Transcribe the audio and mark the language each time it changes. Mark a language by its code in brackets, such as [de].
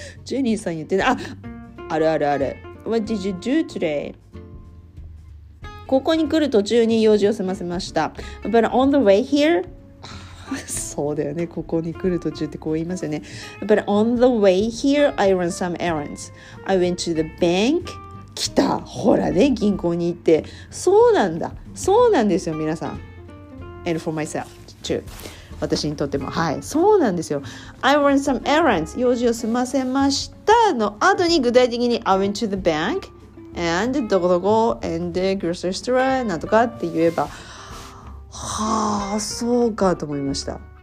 [ja] ジェニーさん言ってない。あ、あるあるある。 [en] What did you do today? [ja] ここに来る途中に用事を済ませました。 [en] But on the way here... [ja] そうだよね、ここに来る途中ってこう言いますよね。 [en] But on the way here I ran some errands. I went to the bank. [ja] 来た、ほらね、銀行に行って。そうなんだ、そうなんですよ皆さん。 [en] And for myself too. [ja] 私にとっても、はい、そうなんですよ。 [en] I ran some errands. [ja] 用事を済ませましたの後に、具体的に [en] I went to the bank and [ja] どこどこ [en] and the grocery store [ja] なんとかって言えば、はあ、そうかと思いました。